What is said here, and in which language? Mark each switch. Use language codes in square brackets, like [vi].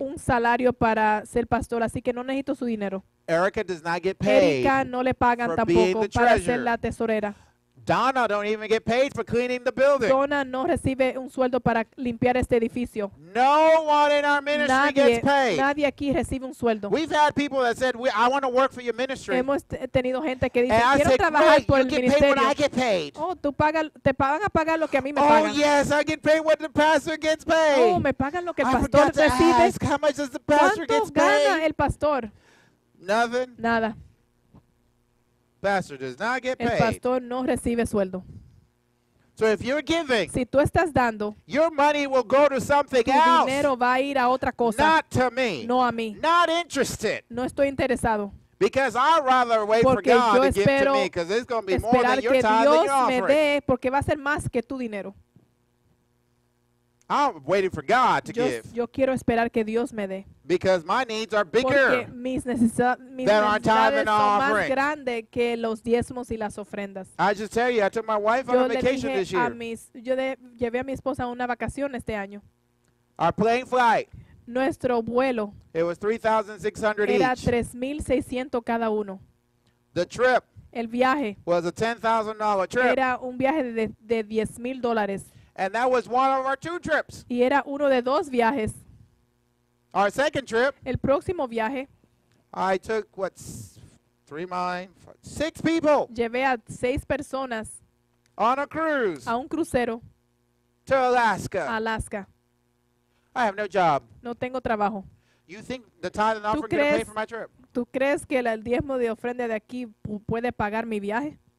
[es] Un salario para ser pastor, así que no necesito su dinero. [en] Erica does not get paid. [es] Erica no le pagan [en] for [es] tampoco para ser la tesorera. [en] Donna don't even get paid for cleaning the building. [es] Donna no recibe un sueldo para limpiar este edificio. [en] No one in our ministry [es] nadie, [en] gets paid. [es] Nadie aquí recibe un sueldo. [en] We've had people that said, I want to work for your ministry. [es] Hemos tenido gente que dice, [en] and [es] quiero [en] said, [es] trabajar [en] great, [es] por el ministerio. [en] You get paid when I get paid. [es] Oh, tú pagas, te van a pagar lo que a mí me oh, pagan. [en] Oh, yes, I get paid what the pastor gets paid. [es] Oh, me pagan lo que el pastor recibe. [en] Ask, how much does the pastor gets paid? [es] ¿Cuánto gana el pastor? [en] Nothing. [es] Nada. [en] Pastor does not get paid. [es] El pastor no recibe sueldo. [en] So if you're giving, [es] si tú estás dando, [en] your money will go to something [es] tu [en] else. [es] Dinero va a ir a otra cosa. [en] Not to me. [es] No a mí. [en] Not interested. [es] No estoy interesado. [en] Because I'd rather wait [es] porque [en] for God [es] yo [en] to give to me, because it's going to be more than your tithe and your offering. [es] Me dé porque va a ser más que tu dinero. [en] I'm waiting for God to [es] yo, [en] give. [es] Yo quiero esperar que Dios me dé. [en] Because my needs are bigger than our tithe and offering. [es] Más grande que los diezmos y las ofrendas. [en] I just tell you, I took my wife [es] yo [en] on a vacation this year. [es] Llevé a mi esposa a una vacación este año. [en] Our plane flight. [es] Nuestro vuelo. [en] It was 3,600 [es] each. Era 3,600 cada uno. [en] The trip. [es] El viaje. [en] Was a $10,000 trip. [es] Era un viaje de $10,000. [en] And that was one of our two trips. [es] Y era uno de dos viajes. [en] Our second trip. [es] El próximo viaje. [en] I took what six people. [es] Llevé a seis personas. [en] On a cruise. [es] A un crucero. [en] To Alaska. [es] Alaska. [en] I have no job. [es] No tengo trabajo. [en] You think the tithe and offering can pay for my trip? [es] ¿Tú crees que el diezmo de ofrenda de aquí puede pagar mi viaje?